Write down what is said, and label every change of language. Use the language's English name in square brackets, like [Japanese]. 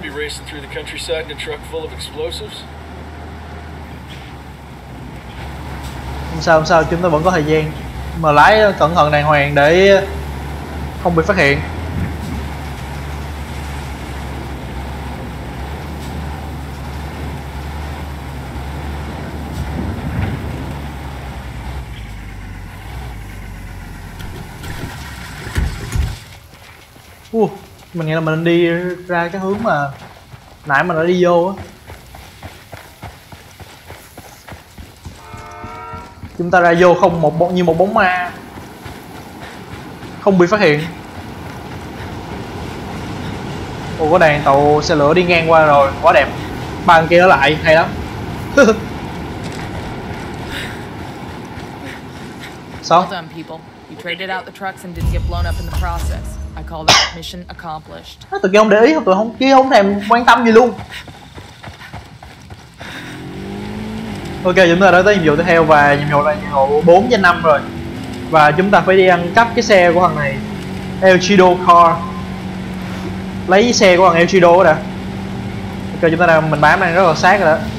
[English] Be racing through the countryside in a truck full of explosives. [Vietnamese] Không sao, chúng ta vẫn có thời gian. Mà lái cẩn thận đàng hoàng để không bị phát hiện. Mình nghĩ là mình đi ra cái hướng mà nãy mình đã đi vô á. Chúng ta ra vô không một bóng, như một bóng ma, không bị phát hiện. Ồ, có đèn tàu xe lửa đi ngang qua rồi, quá đẹp. Ba anh kia ở lại hay lắm. Xong. [English] Well done, people. You traded out the trucks and didn't get blown up in the process. I call that mission accomplished. [Vietnamese] Nó tụi kia không để ý, tụi không kia không thèm quan tâm gì luôn. Ok, chúng ta đã tới nhiệm vụ tiếp theo và nhiệm vụ là nhiệm vụ 4 trên 5 rồi. Và chúng ta phải đi ăn cắp cái xe của thằng này, El Chido Car. Lấy xe của thằng El Chido đó nè. Ok, chúng ta đang mình bám này rất là sát rồi đó.